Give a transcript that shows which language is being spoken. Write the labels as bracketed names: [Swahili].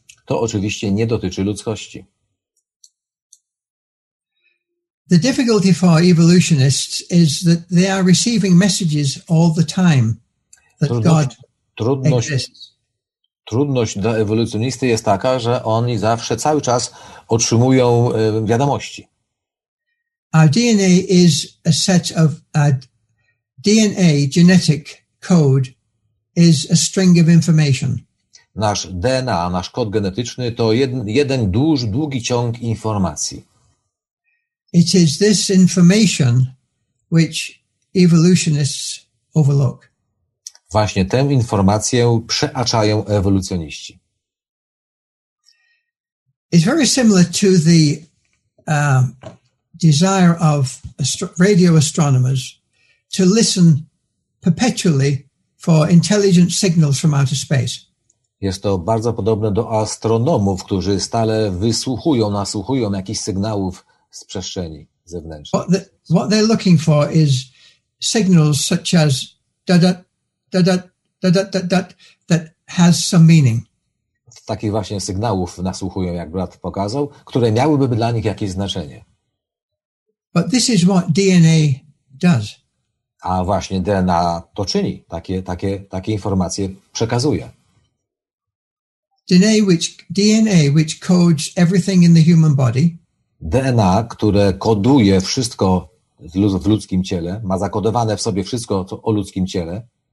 [Polish] To oczywiście nie dotyczy ludzkości. [English] The difficulty for evolutionists is that they are receiving messages all the time that God exists. [Polish] Trudność dla ewolucjonisty jest taka, że oni zawsze cały czas otrzymują wiadomości. [English] Our DNA is a set of DNA genetic code is a string of information. [Polish] Nasz DNA, nasz kod genetyczny to jeden duży, długi ciąg informacji. [English] It is this information which evolutionists overlook. [Polish] Właśnie tę informację przeaczają ewolucjoniści. [English] It's very similar to the desire of radio astronomers to listen perpetually for intelligent signals from outer space. [Polish] Jest to bardzo podobne do astronomów, którzy stale wysłuchują, nasłuchują jakichś sygnałów z przestrzeni zewnętrznej. [English] What they're looking for is signals such as da da da da da da that has some meaning. [Polish] Takich właśnie sygnałów nasłuchują, jak brat pokazał, które miałyby dla nich jakieś znaczenie. [English] But this is what DNA does. [Polish] A właśnie DNA to czyni, takie informacje przekazuje. [English] DNA which codes everything in the human body. [Polish] DNA, które koduje wszystko w ludzkim ciele, ma zakodowane w sobie wszystko o ludzkim ciele.